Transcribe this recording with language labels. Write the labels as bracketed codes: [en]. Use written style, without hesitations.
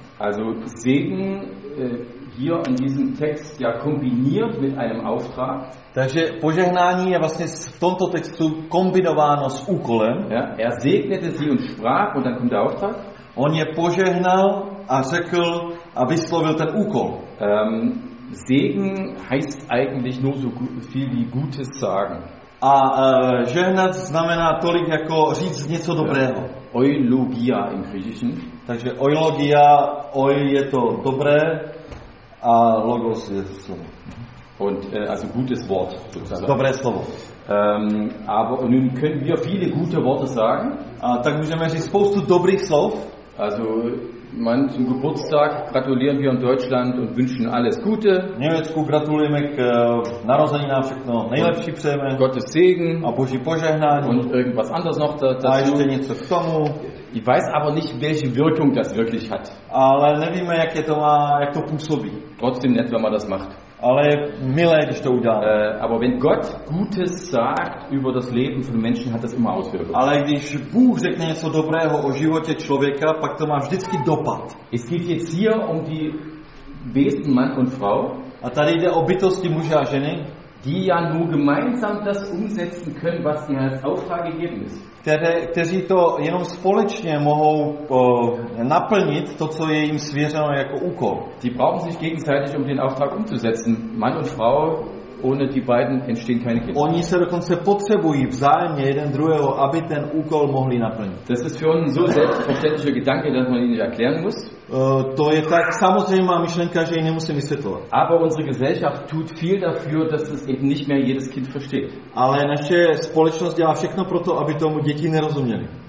[de] Also Segen hier in diesem Text ja kombiniert mit einem Auftrag. [cs] Takže požehnání je vlastně v tomto textu kombinováno s úkolem. [de] Ja, er segnete sie und sprach und dann kommt der Auftrag. [cs] On je požehnal a řekl a vyslovil ten úkol. [de] Segen heißt eigentlich nur so viel wie Gutes sagen. [cs] A žehnat znamená tolik jako říct něco dobrého. [de] Eulogia im Griechischen. [cs] Takže eulogia, eu je to dobré. A logos je slovo. [de] Und also gutes Wort. [cs] Dobré slovo. [de] Aber nun können wir viele gute Worte sagen. [cs] Tak můžeme říct spoustu dobrých slov. [de] Also manchem Geburtstag gratulieren wir in Deutschland und wünschen alles Gute. [cs] Německu gratulujeme k narozeninám, všechno nejlepší přejeme. [de] Gottes Segen. [cs] A Boží požehnání. [de] Und irgendwas anderes noch dazu. [cs] A ještě něco k tomu. [de] Ich weiß aber nicht, welche Wirkung das wirklich hat. [cs] Ale nevíme, jak je to má, jak to působí. [de] Trotzdem nett, wenn man das macht. [cs] Ale milé, když to udělá. [de] Aber wenn Gott Gutes sagt über das Leben von Menschen, hat das immer Auswirkungen. [cs] Ale když Bůh řekne něco dobrého o životě člověka, pak to má vždycky dopad. [de] Es geht jetzt hier um die Wesen Mann und Frau. [cs] A tady jde o bytosti muže a ženy, [de] die ja nur gemeinsam das umsetzen können, was ihnen als Auftrag gegeben ist. [cs] Kteří to jenom společně mohou naplnit to, co je jim svěřeno jako úkol. [de] Die brauchen sich gegenseitig, um den Auftrag umzusetzen. Mann und Frau, ohne die beiden entstehen keine Kinder. [cs] Oni se dokonce potřebují vzájemně jeden druhého, aby ten úkol mohli naplnit. [de] Das ist für uns so selbstverständlicher Gedanke, dass man ihn nicht erklären muss. [cs] To je tak samozřejmá myšlenka, že ji nemusím vysvětlovat. [de] Aber unsere Gesellschaft tut viel dafür, dass es eben nicht mehr jedes Kind versteht. [cs] Ale naše společnost dělá všechno pro to, aby tomu děti nerozuměli.